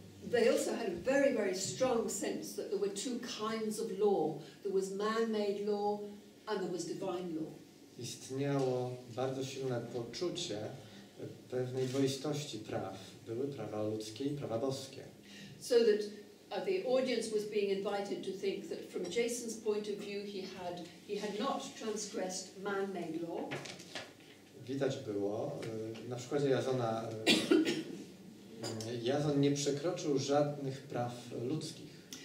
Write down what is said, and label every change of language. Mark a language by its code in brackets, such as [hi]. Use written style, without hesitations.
[en] They also had a very, very strong sense that there were two kinds of law. There was man-made law and there was divine law. [pl] Istniało bardzo silne poczucie pewnej dwoistości praw. Były prawa ludzkie i prawa boskie. [en] So that the audience was being invited to think that from Jason's point of view he had not transgressed man-made law. [pl] Widać było, na przykładzie Jasona, Jason nie przekroczył żadnych praw ludzkich.